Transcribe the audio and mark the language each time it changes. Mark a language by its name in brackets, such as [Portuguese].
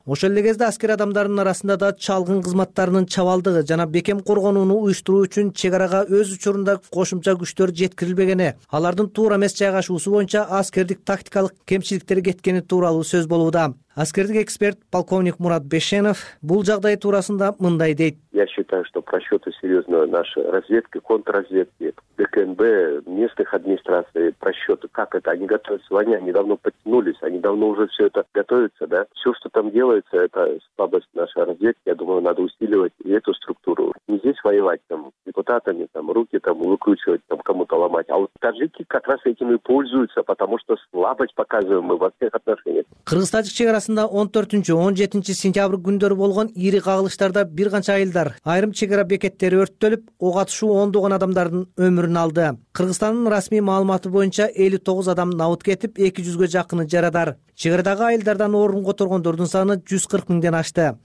[Kyrgyz] Ошол эле кезде аскер адамдарынын арасында да чалгын кызматтарынын чабалдыгы жана бекем коргонууну уюштуруу үчүн чек арага өз учурунда кошумча күчтөр жеткирилбегени, алардын туура эмес жайгашуусу боюнча аскердик тактикалык кемчиликтери кеткени тууралуу сөз болууда. Аскердик эксперт полковник Мурат Бешенов бул жагдай туурасында мындай дейт. [Russian] Я считаю, что просчеты серьезные наши разведки, контрразведки, ДКНБ, местных администраций, просчеты, как это, они готовятся в войне, они давно подтянулись, они давно уже все это готовится, да? Все, что там делается, это слабость нашей разведки, я думаю, надо усиливать и эту структуру. Не здесь воевать там депутатами, там руки там выкручивать, там кому-то ломать. А вот таджики как раз этим и пользуются, потому что слабость показываем мы во всех отношениях. [Kyrgyz] Кыргызстанчы чек арасында 14-17 сентябрь күндөрү болгон ири кагылыштарда бир канча айылдар, айрым чек ара бекеттери өрттөлүп, ок атышуу 10 адамдардын өмүрүн алды. Кыргызстандын расмий маалыматы боюнча 59 адам набыт кетип, 200 жакыны жарадар. Чек арадагы айылдардан орун которгондордун саны 140 000 ашты.